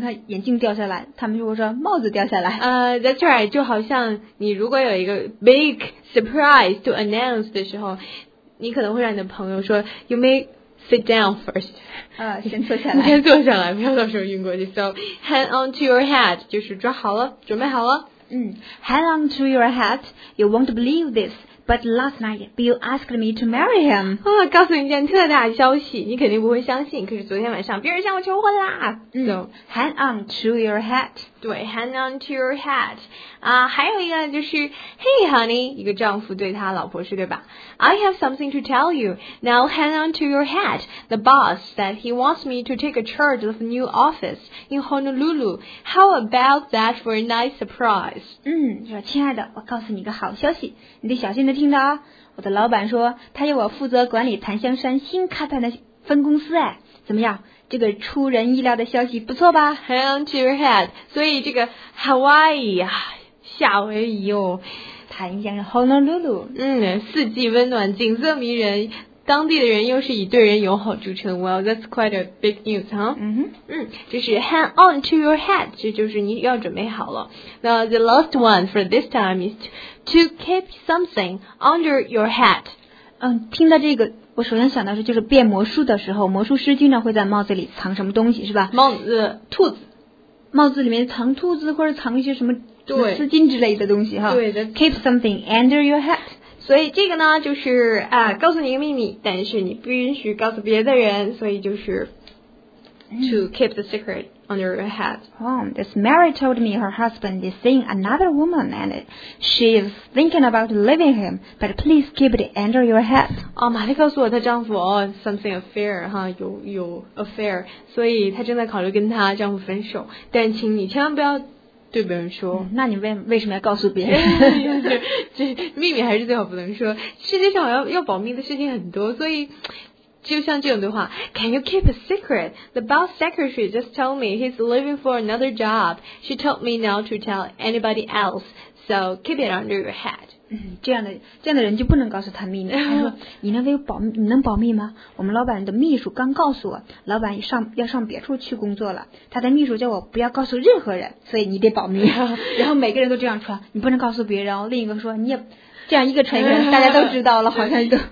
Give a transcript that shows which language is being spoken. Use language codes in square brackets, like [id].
[zh] 看眼镜掉下来，他们就会说帽子掉下来。 That's right，就好像你如果有一个 big surprise to announce 的时候，你可能会让你的朋友说 You may sit down first 啊，先坐下来，你先坐下来，不要到时候晕过去。 So hang on to your hat，就是抓好了，准备好了。 [en] 嗯， Hang on to your hat， You won't believe thisBut last night, Bill asked me to marry him. [zh] 啊，告诉你一件特大消息，你肯定不会相信。可是昨天晚上，别人向我求婚啦。 [en] So, hang on to your hat. 对，hang on to your hat. 啊，还有一个就是，Hey, honey, 一个丈夫对他老婆是对吧？I have something to tell you. Now, hang on to your hat. The boss said he wants me to take a charge of a new office in Honolulu. How about that for a nice surprise? [zh] 嗯，说亲爱的，我告诉你一个好消息，你得小心。听到啊，我的老板说他要我负责管理檀香山新开办的分公司，哎，怎么样，这个出人意料的消息不错吧？ Hang on to your head，所以这个 Hawaii 啊，夏威夷哦，檀香 Honolulu，嗯，四季温暖，景色迷人，当地的人又是以对人友好著称。 [en] Well, that's quite a big news, huh? 嗯， [zh] 就是 hang on to your hat，这就是你要准备好了。 [en] Now, the last one for this time is to keep something under your hat. [zh] 嗯，听到这个，我首先想到的就是变魔术的时候，魔术师经常会在帽子里藏什么东西，是吧？帽子，兔子。帽子里面藏兔子，或者藏一些什么丝巾之类的东西，哈。对的。 [en] Keep something under your hat. [zh] 所以这个呢，就是啊，告诉你一个秘密，但是你不允许告诉别的人，所以就是 to keep the secret under your hat. [en] Oh, this Mary told me her husband is seeing another woman and she is thinking about leaving him, but please keep it under your hat. [zh] 哦，玛丽告诉我她丈夫哦 something affair 哈，有 affair， 所以她正在考虑跟她丈夫分手，但请你千万不要。对别人说，那你为什么要告诉别人？这秘密还是最好不能说。世界上要保密的事情很多，所以就像这种对话 ， Can you keep a secret? [en] The boss secretary just told me he's leaving for another job. She told me not to tell anybody else. So keep it under your hat. [zh] 嗯，这样的人就不能告诉他秘密。他说：“你能保密吗？我们老板的秘书刚告诉我，老板要上别处去工作了。他的秘书叫我不要告诉任何人，所以你得保密。然后每个人都这样传，你不能告诉别人。然后另一个说，你也这样一个传一个，大家都知道了，好像都